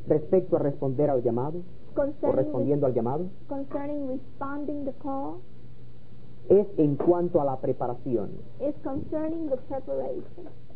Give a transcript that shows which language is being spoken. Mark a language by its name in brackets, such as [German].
[Spanish] respecto a responder al llamado [English] concerning [Spanish] o respondiendo al llamado [English] concerning responding the call [Spanish] es en cuanto a la preparación [English] is concerning the preparation.